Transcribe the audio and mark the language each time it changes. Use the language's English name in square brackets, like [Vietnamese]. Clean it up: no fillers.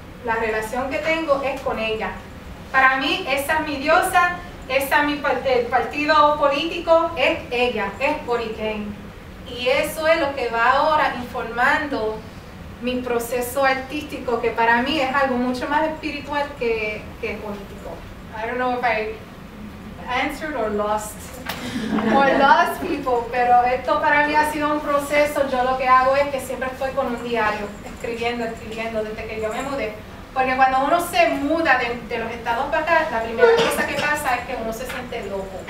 [Spanish] La relación que tengo es con ella. Para mí, esa es mi diosa, esa es mi el partido político, es ella, es Boriken. Y eso es lo que va ahora informando mi proceso artístico, que para mí es algo mucho más espiritual que político. [English] I don't know if I answered or lost. Or lost people, [Spanish] pero esto para mí ha sido un proceso. Yo lo que hago es que siempre estoy con un diario, escribiendo, desde que yo me mudé. Porque cuando uno se muda de los estados para acá, la primera cosa que pasa es que uno se siente loco.